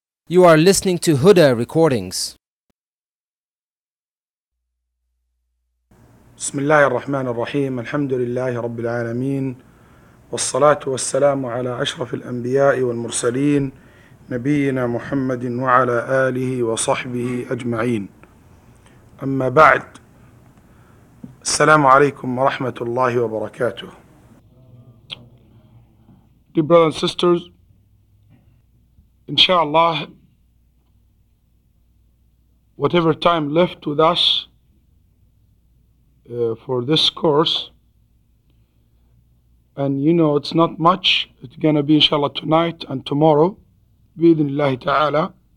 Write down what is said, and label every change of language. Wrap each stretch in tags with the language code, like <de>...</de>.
<en>You are listening to Huda Recordings.</en> <ar>بسم الله الرحمن الرحيم الحمد لله رب العالمين والصلاة والسلام على أشرف الأنبياء والمرسلين نبينا محمد وعلى آله وصحبه أجمعين أما بعد السلام عليكم ورحمة الله وبركاته.</ar> <en>Dear brothers and sisters, إن شاء الله whatever time left with us for this course, and you know it's not much, it's going to be inshallah tonight and tomorrow bi-idhnillahi ta'ala.</en>